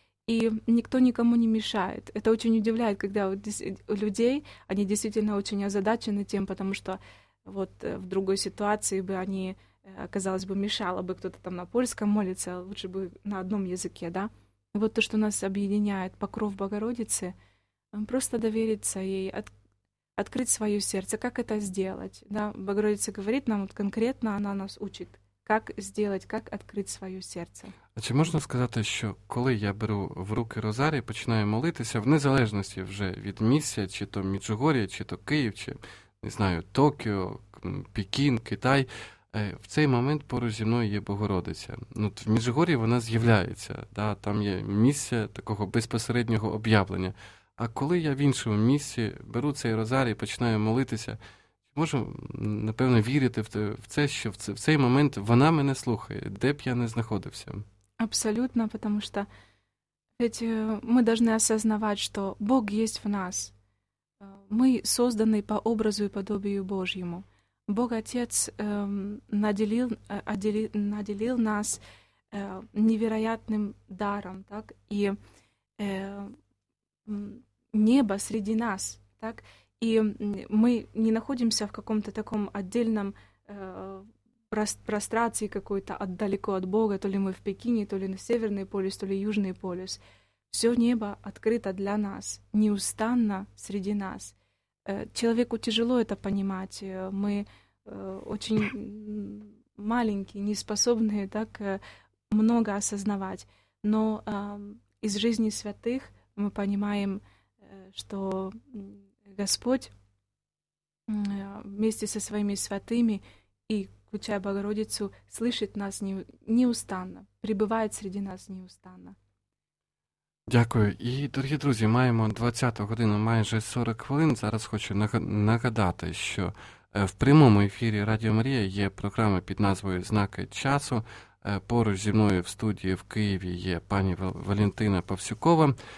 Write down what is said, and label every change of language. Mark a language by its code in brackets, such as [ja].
[ru] И никто никому не мешает. Это очень удивляет, когда у людей, они действительно очень озадачены тем, потому что вот в другой ситуации бы они, казалось бы, мешало бы кто-то там на польском молиться, лучше бы на одном языке, да? И вот то, что нас объединяет, покров Богородицы, просто довериться ей, открыть свое сердце. Как это сделать? Да? Богородица говорит нам вот конкретно, она нас учит. [uk] Як зробити, як відкрити своє серце? А чи можна сказати, що коли я беру в руки Розарій, починаю молитися, в незалежності вже від місця, чи то Меджугор'я, чи то Київ, чи, не знаю, Токіо, Пекін, Китай, в цей момент поруч зі мною є Богородиця. Ну, в Меджугор'ї вона з'являється, да, там є місце такого безпосереднього об'явлення. А коли я в іншому місці беру цей Розарій, починаю молитися, можу, напевно, вірити в це, що в цей момент вона мене слухає, де б я не знаходився. Абсолютно, тому що ведь ми повинні осознавати, що Бог є в нас. Ми створені по образу і подобію Божьому. Бог Отець наділив нас невероятним даром, так? І небо серед нас, так? [ru] И мы не находимся в каком-то таком отдельном прострации какой-то далеко от Бога, то ли мы в Пекине, то ли на Северный полюс, то ли Южный полюс. Все небо открыто для нас, неустанно среди нас. Человеку тяжело это понимать. Мы очень маленькие, не способные так много осознавать. Но из жизни святых мы понимаем, что Господь вместе со своими святыми и, включая Богородицу, слышит нас неустанно, пребывает среди нас неустанно. [uk] Дякую. І, дорогі друзі, маємо 20-ту годину майже 40 хвилин. Зараз хочу нагадати, що в прямому ефірі Радіо Марія є програма під назвою «Знаки часу». Поруч зі мною в студії в Києві є пані Валентина Павсюкова.